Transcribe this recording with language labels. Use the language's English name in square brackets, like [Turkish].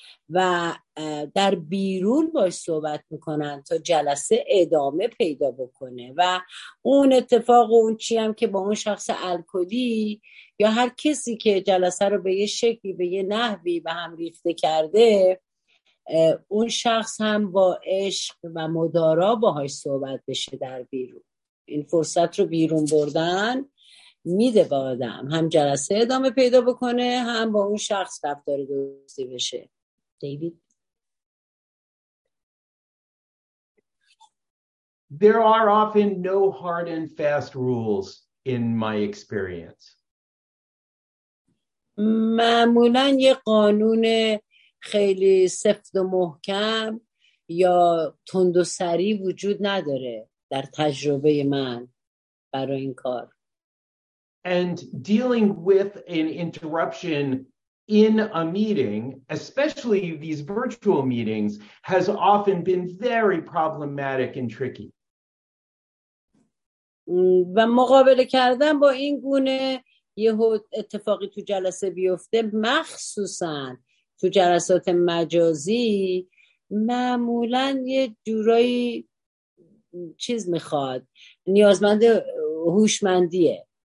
[Persian] و در بیرون باش صحبت میکنن تا جلسه ادامه پیدا بکنه و اون اتفاق و اون چی هم که با اون شخص الکلی یا هر کسی که جلسه رو به یه شکلی به یه نحوی به هم ریخته کرده، اون شخص هم با عشق و مدارا باهاش صحبت بشه در بیرون. این فرصت رو بیرون بردن میده با آدم هم جلسه ادامه پیدا بکنه هم با اون شخص رفتار درستی بشه. دیوید، [English] There are often no hard and fast rules in my experience. [Persian] معمولا یه قانون خیلی سفت و محکم یا تند و سری وجود نداره در تجربه من برای این کار. [English] And dealing with an interruption in a meeting, especially these virtual meetings, has often been very problematic and tricky. [Persian] و مقابله کردن با این گونه یه اتفاقی تو جلسه بیفته، مخصوصاً تو جلسات مجازی معمولا یه جورایی چیز میخواد، نیازمند هوشمندیه.